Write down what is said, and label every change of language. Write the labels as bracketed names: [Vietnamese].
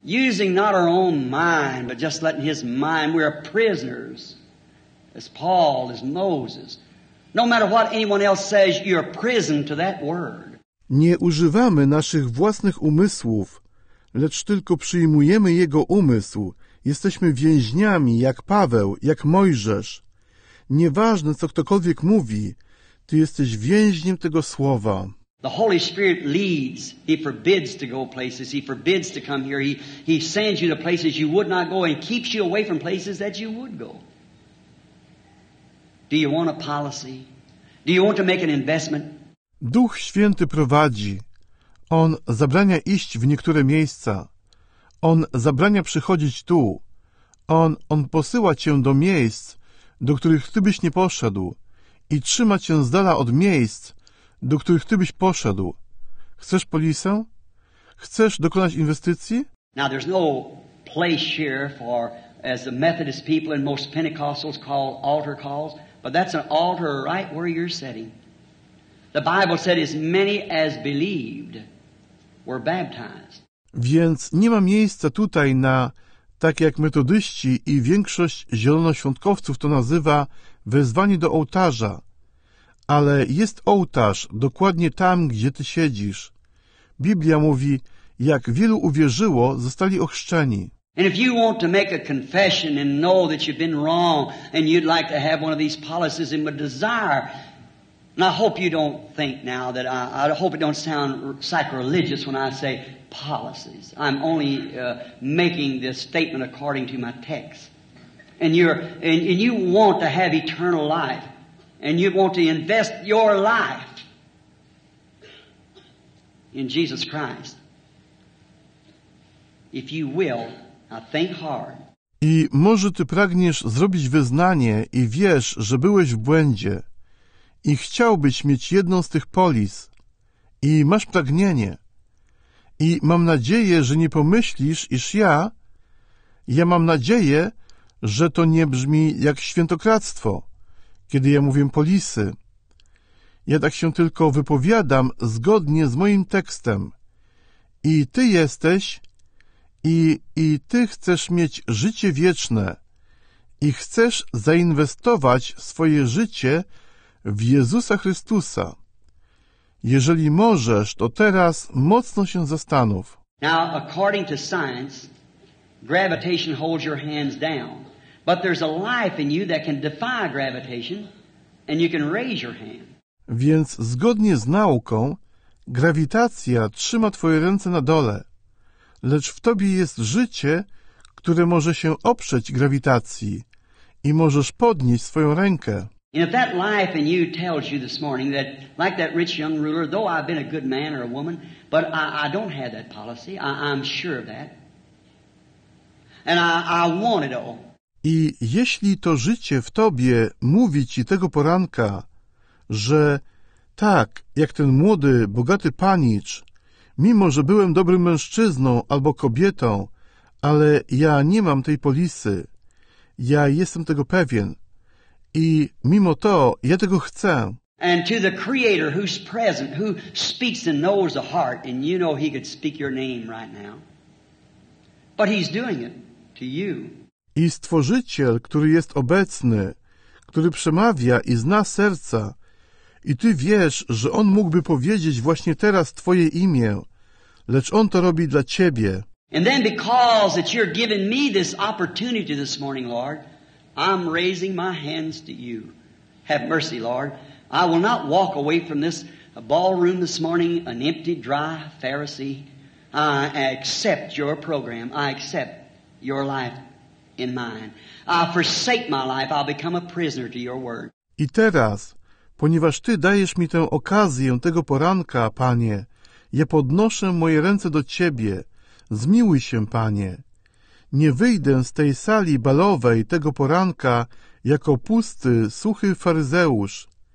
[English] Using not our own mind, but just letting His mind, we are prisoners, as Paul, as Moses. No matter what anyone else says, you are prison to that word. [Polish] Nie używamy naszych własnych umysłów, lecz tylko przyjmujemy Jego umysł. Jesteśmy więźniami, jak Paweł, jak Mojżesz. Nieważne, co ktokolwiek mówi, ty jesteś więźniem tego słowa. [English] The Holy Spirit leads. He forbids to go places. He forbids to come here. He sends you to places you would not go and keeps you away from places that you would go. Do you want a policy? Do you want to make an investment? [Polish] Duch Święty prowadzi. On zabrania iść w niektóre miejsca. On zabrania przychodzić tu. On posyła cię do miejsc, do których ty byś nie poszedł i trzyma cię z dala od miejsc, do których ty byś poszedł. Chcesz polisę? Chcesz dokonać inwestycji? [English] Now there's no place here for, as the Methodist people and most Pentecostals call altar calls, but that's an altar right where you're sitting. The Bible said as many as believed were baptized. [Polish] Więc nie ma miejsca tutaj na, tak jak metodyści i większość zielonoświątkowców to nazywa, wezwanie do ołtarza. Ale jest ołtarz dokładnie tam, gdzie ty siedzisz. Biblia mówi, jak wielu uwierzyło, zostali ochrzczeni. [English] And if you want to make a confession and know that you've been wrong and you'd like to have one of these policies and would desire And I hope you don't think now that I hope it don't sound sacrilegious when I say policies. I'm only making this statement according to my text. And you want to have eternal life. And you want to invest your life in Jesus Christ. If you will, now think hard. [Polish] I może ty pragniesz zrobić wyznanie i wiesz, że byłeś w błędzie i chciałbyś mieć jedną z tych polis i masz pragnienie i mam nadzieję, że nie pomyślisz, iż ja mam nadzieję, że to nie brzmi jak świętokradztwo, kiedy ja mówię polisy. Ja tak się tylko wypowiadam zgodnie z moim tekstem i ty jesteś I ty chcesz mieć życie wieczne i chcesz zainwestować swoje życie w Jezusa Chrystusa. Jeżeli możesz, to teraz mocno się zastanów. [English] Now, according to science, gravitation holds your hands down. But there's a life in you that can defy gravitation and you can raise your hand. [Polish] Więc zgodnie z nauką, grawitacja trzyma twoje ręce na dole. Lecz w tobie jest życie, które może się oprzeć grawitacji i możesz podnieść swoją rękę. [English] And if that life in you tells you this morning that, like that rich young ruler, though I've been a good man or a woman, but I don't have that policy, I'm sure of that. And I want it all. [Polish] I jeśli to życie w tobie mówi ci tego poranka, że tak, jak ten młody, bogaty panicz, mimo, że byłem dobrym mężczyzną albo kobietą, ale ja nie mam tej polisy. Ja jestem tego pewien. I mimo to, ja tego chcę. [English] And to the Creator who's present, who speaks and knows the heart, and you know he could speak your name right now. But he's doing it to you. [Polish] I Stworzyciel, który jest obecny, który przemawia i zna serca, i ty wiesz, że on mógłby powiedzieć właśnie teraz twoje imię, lecz on to robi dla ciebie. [English] And then because that you're giving me this opportunity this morning, Lord, I'm raising my hands to you. Have mercy, Lord. I will not walk away from this ballroom this morning an empty, dry Pharisee. I accept your program. I accept your life in mine. I forsake my life. I'll become a prisoner to your word. [Polish] I teraz, ponieważ ty dajesz mi tę okazję tego poranka, Panie, ja podnoszę moje ręce do ciebie. Zmiłuj się, Panie. Nie wyjdę z tej sali balowej tego poranka jako pusty, suchy faryzeusz.